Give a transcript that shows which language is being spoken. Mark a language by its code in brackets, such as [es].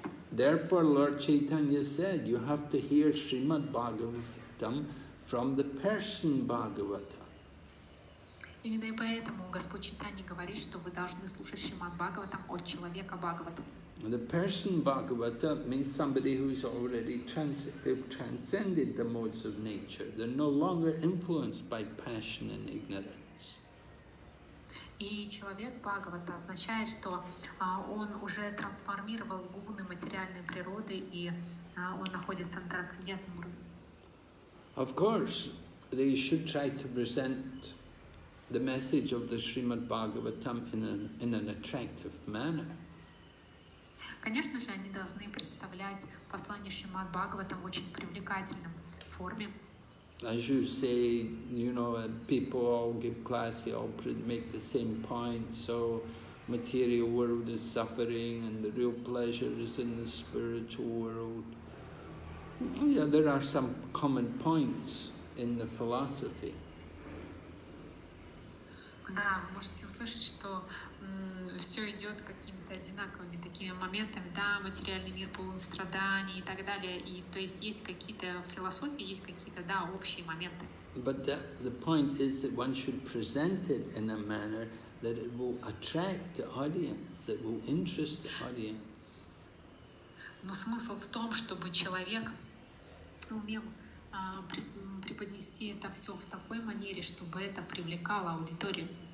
[en] Therefore, Lord Chaitanya said, you have to hear Srimad Bhagavatam from the person Bhagavata. [ru] Именно и поэтому Господь Читания говорит, что вы должны слушать Шримад Бхагаватам от человека Бхагаватам. [en] The person Bhagavata means somebody who is already transcended the modes of nature. They're no longer influenced by passion and ignorance. [ru] И человек Бхагавата означает, что он уже трансформировал гуны материальной природы, и он находится на трансцендентном уровне. [en] Of course, they should try to present the message of the Srimad Bhagavatam in an attractive manner. [ru] Конечно же, они должны представлять послание Шримад Бхагаватам в очень привлекательном форме. [en] As you say, you know, people all give class, they all make the same point, so material world is suffering and the real pleasure is in the spiritual world. Yeah, there are some common points in the philosophy. [ru] Да, можете услышать, что все идет какими-то одинаковыми такими моментами, да, материальный мир полон страданий и так далее. И то есть есть какие-то философии, есть какие-то, да, общие моменты. [en] But the point is that one should present it in a manner that it will attract the audience, that will interest the audience. [ru] Но смысл в том, чтобы человек умел преподнести это все в такой манере, чтобы это привлекало аудиторию.